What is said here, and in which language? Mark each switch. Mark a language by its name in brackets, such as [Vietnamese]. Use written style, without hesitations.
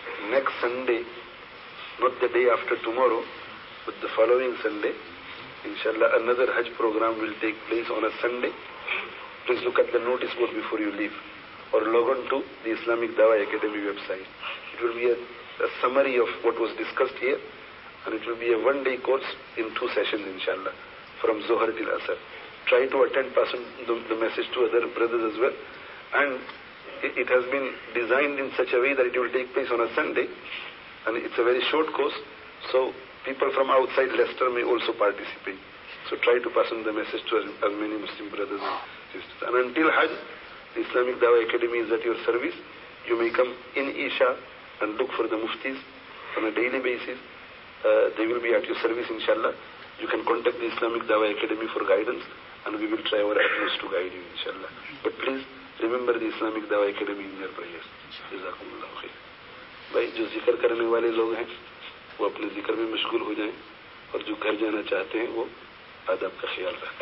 [English] Next Sunday, not the day after tomorrow, but the following Sunday, inshallah, another Hajj program will take place on a Sunday. Please look at the notice board before you leave, or log on to the Islamic Dawah Academy website. It will be a summary of what was discussed here, and it will be a one-day course in two sessions, inshallah, from Zohar till Asar. Try to attend, pass on the message to other brothers as well, and it has been designed in such a way that it will take place on a Sunday, and it's a very short course, so people from outside Leicester may also participate. So try to pass on the message to as many Muslim brothers and sisters. And until Hajj, the Islamic Dawah Academy is at your service. You may come in Isha and look for the Muftis on a daily basis. They will be at your service, inshallah. You can contact the Islamic Dawah Academy for guidance, and we will try our utmost to guide you, inshallah. But please, remember the Islamic Dawah Academy in your prayer, جزاکم اللہ خیر. [Urdu] بھائی جو ذکر کرنے والے لوگ ہیں وہ اپنے ذکر میں مشغول ہو جائیں، اور جو گھر جانا چاہتے ہیں وہ آداب کا خیال رکھیں.